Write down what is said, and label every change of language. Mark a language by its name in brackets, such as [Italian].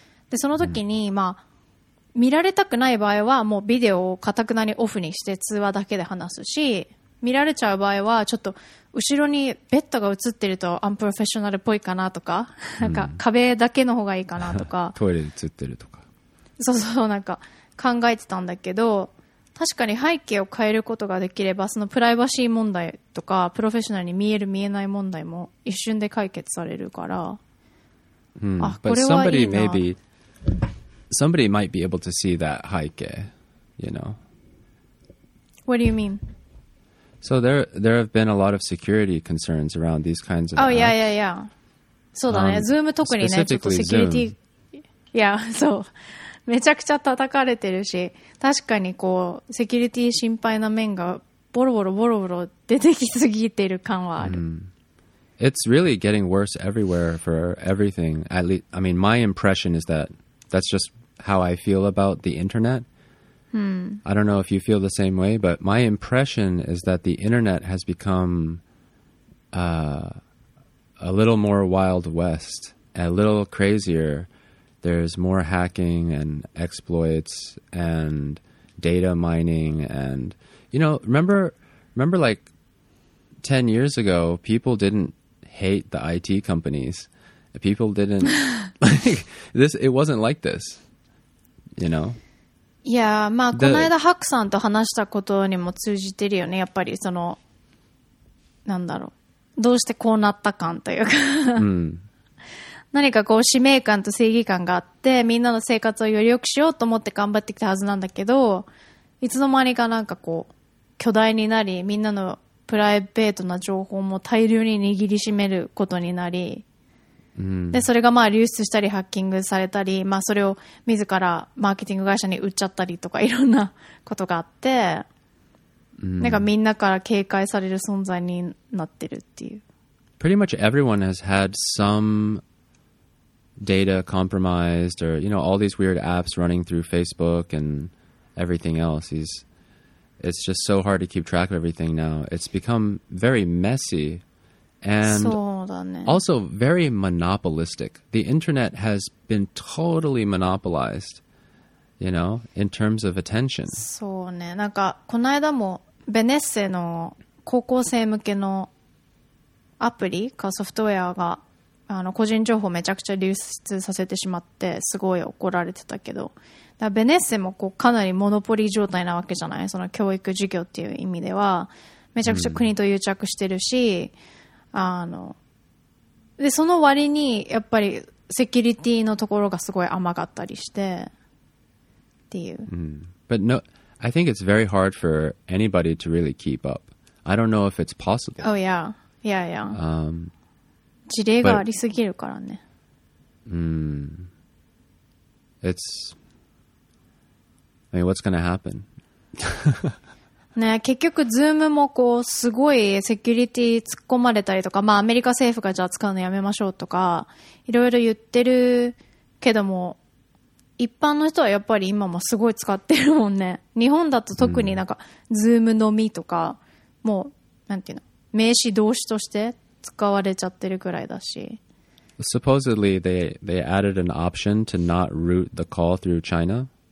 [Japanese] でその時に、まあ、見られたくない場合はもうビデオをかたくなにオフにして通話だけで話すし、見られちゃう場合はちょっと後ろにベッドが映ってるとアンプロフェッショナルっぽいかなとか、うん、なんか壁だけの方がいいかなとかトイレ映ってるとか、そうそう、なんか考えてたんだけど、確かに背景を変えることができれば、そのプライバシー問題とかプロフェッショナルに見える見えない問題も一瞬で解決されるから、 hmm. あ、これはいいな。 [English] But somebody maybe somebody might be able to see that 背景, you know. What do you mean? So there have been a lot of security concerns around these kinds of [Japanese] apps. [English] Oh yeah, yeah, yeah. [Japanese] そうだね。Zoom 特にね、ちょっとセキュリティ、yeah, so. めちゃくちゃ叩かれてるし、確かにこうセキュリティ心配な面がボロボロボロボロ出てきすぎてる感はある。 Mm. [English] It's really getting worse everywhere for everything. At least, I mean, my impression is that that's just how I feel about the internet. Mm. I don't know if you feel the same way, but my impression is that the internet has become a little more Wild West, a little crazier. There's more hacking and exploits and data mining and, you know, remember like 10 years ago, people didn't hate the IT companies. People didn't, like, this, it wasn't like this, you know? [Japanese] Yeah, まあ、この間ハクさんと話したことにも通じてるよね。やっぱりその、なんだろう。どうしてこうなったかんというか。うん。何かこう使命感と正義感があってみんなの生活をより良くしようと思って頑張ってきたはずなんだけど、いつの間にかなんかこう巨大になり、みんなのプライベートな情報も大量に握りしめることになり、うん、でそれがまあ流出したりハッキングされたり、まあ、それを自らマーケティング会社に売っちゃったりとかいろんなことがあって、うん、なんかみんなから警戒される存在になってるっていう。 [English] Pretty much everyone has had some data compromised or you know all these weird apps running through Facebook and everything else. It's just so hard to keep track of everything now. It's become very messy and also very monopolistic. The internet has been totally monopolized, you know, in terms of attention. [Japanese] そうね。なんかこの間もベネッセの高校生向けのアプリかソフトウェアがあの個人情報めちゃくちゃ流出させてしまってすごい怒られてたけど、だからベネッセもこうかなりモノポリ状態なわけじゃない、その教育授業っていう意味ではめちゃくちゃ国と癒着してるし、うん、あのでその割にやっぱりセキュリティのところがすごい甘かったりしてっていう、 [English] うん、But no, I think it's very hard for anybody to really keep up. I don't know if it's possible. Oh yeah, yeah, yeah. [Japanese] 事例がありすぎるからね。 [English] I mean, what's gonna happen? [Japanese] ね、結局 Zoom もこうすごいセキュリティ突っ込まれたりとか、まあアメリカ政府がじゃあ使うのやめましょうとかいろいろ言ってるけども、一般の人はやっぱり今もすごい使ってるもんね。日本だと特になんか Zoom のみとか、もうなんていうの、名詞動詞として使われちゃってるくらいだし。 [English] Supposedly they added an option to not route the call through China.